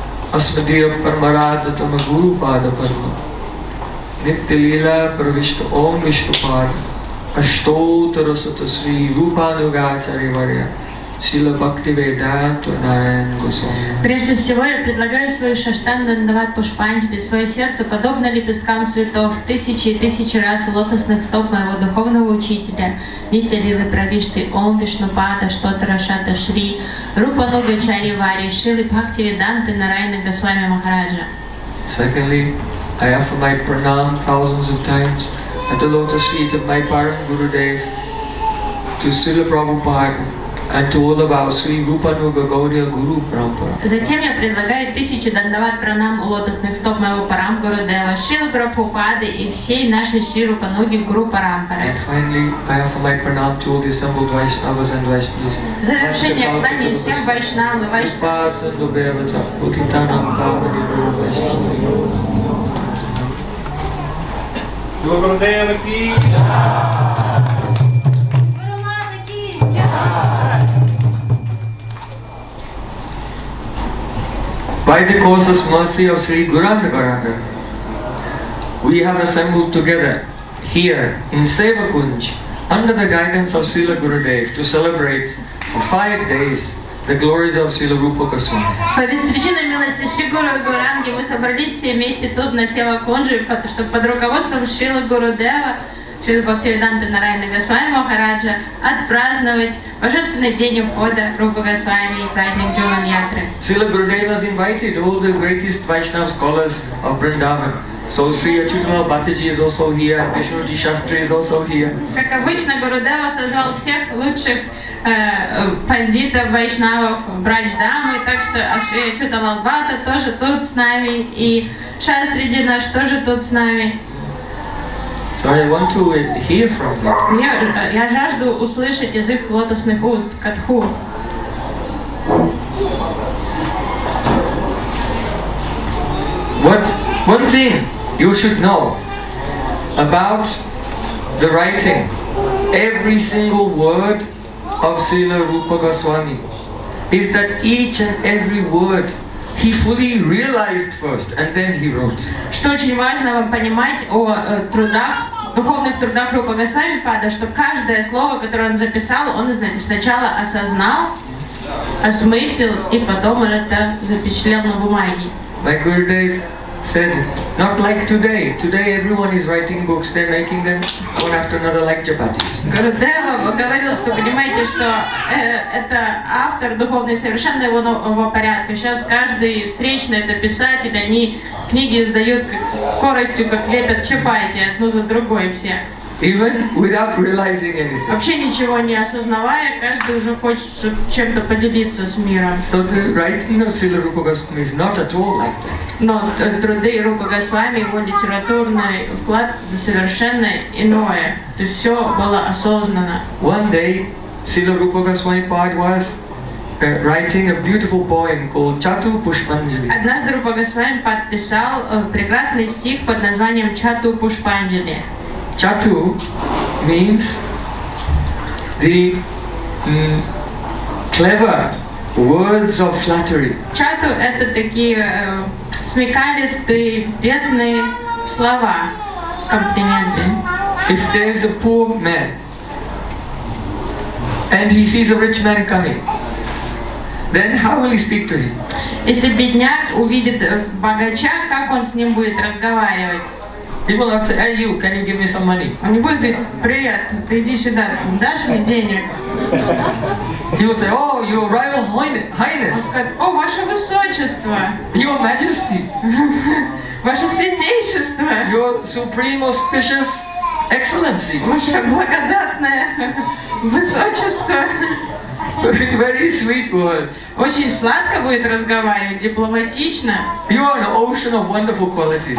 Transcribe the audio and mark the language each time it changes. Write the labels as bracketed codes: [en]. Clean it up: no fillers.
[sa] Asmadiya Parmarada Tamaguru Pada Parma Nitya Lila Pravishta Om Vishnupada Ashtotara Satasri Rupa Nugacharya Varya Сила Бхакти Вейданта Нараян Госвами. [ru] Прежде всего я предлагаю свою шаштангу Дандават Пушпанджали, свое сердце подобно лепесткам цветов, тысячи и тысячи раз у лотосных стоп моего духовного учителя, Нитья Лилы Правишты, Ом Вишнупада, Штотра Шата Шри, Рупа Нуга Чари Вари, Шилы Бхакти Вейданта Нараян Госвами Махараджа. [en] Secondly, I offer my pranam thousands of times at the lotus feet of my Param Gurudev to Srila Prabhupada, and to all of our Sri Rupa Nuga Gaudiya Guru Parampara. [ru] Затем я предлагаю тысячи дандават пранам у лотосных стоп моего Парам Гурудева, Шрилы Прабхупады и всей нашей Шри Рупа Нуги Гуру Парампары. [en] And finally, I offer my pranam to all the assembled Vaishnavas and Vaishnavas. [ru] Завершение вклания всем Вайшнавам и Вайшнавам. [sa] Упаса Дубевата, Путитанам, Бхавани Гуру Вайшнавам. Гурудева Ки! Гуру Мата Ки! [en] By the causeless mercy of Sri Gauranga Gauranga, we have assembled together here in Sevakunj under the guidance of Srila Gurudev to celebrate for 5 days the glories of Srila Rupa Goswami. [ru] По беспричинной милости Шри Гуру Гуранги мы собрались все вместе тут на Сева Кунджу, потому что под руководством Шрилы Гуру Дева, Шрилы Бхактивиданты Нарайана Госвами Махараджа, отпраздновать божественный день ухода Рупа Госвами и праздник Джуван Ятры. [en] Шрила Гуру Дева invited all the greatest Vaishnava scholars of Vrindavan. So Sri Achyutananda Bhattaji is also here, Vishnu Ji Shastri is also here. [ru] Как обычно, Гуру Дева созвал всех лучших пандита вайшнавов, брачдамы, так что Шри Ачютананда Бхатта тоже тут с нами, и Шастри Ди наш тоже тут с нами. [en] So I want to hear from them. [ru] Я жажду услышать язык лотосных уст, катху. [en] What one thing you should know about the writing, every single word of Srila Rupa Goswami, is that each and every word he fully realized first and then he wrote. [ru] Что очень важно вам понимать о трудах, духовных трудах Рупа Госвами Пада, что каждое слово, которое он записал, он сначала осознал, осмыслил и потом это запечатлел на бумаге. [en] My Gurudev said, not like today. Today everyone is writing books, they're making them one after another like chapatis. [ru] Гурудева говорил, что понимаете, что это автор духовный совершенно его порядка. Сейчас каждый встречный это писатель, они книги издают как скоростью, как лепят чапати, одну за другой все. [en] Even without realizing anything. [ru] Вообще ничего не осознавая, каждый уже хочет чем-то поделиться с миром. [en] So the writing of Srila Rupa Goswami is not at all like that. [ru] Но труды Рупа Госвами, его литературный вклад совершенно иное. То есть все было осознанно. [en] One day Srila Rupa Goswami part was writing a beautiful poem called Chatu Pushpanjali. [ru] Однажды Рупа Госвами подписал прекрасный стих под названием Chatu Pushpanjali. [en] Chatu means the clever words of flattery. [ru] Chatu – это такие смекалистые, лестные слова, комплименты. [en] If there is a poor man and he sees a rich man coming, then how will he speak to him? [ru] Если бедняк увидит богача, как он с ним будет разговаривать? [en] He will not say, "Hey, you, can you give me some money?" [ru] Он не будет говорить, "Привет, ты иди сюда, дашь мне денег?" [en] He will say, "Oh, your royal highness." [ru] О, ваше высочество. [en] Your majesty. [ru] Ваше святейшество. [en] Your supreme auspicious excellency. [ru] Ваше благодатное высочество. [en] With very sweet words. [ru] Очень сладко будет разговаривать, дипломатично. [en] You are an ocean of wonderful qualities.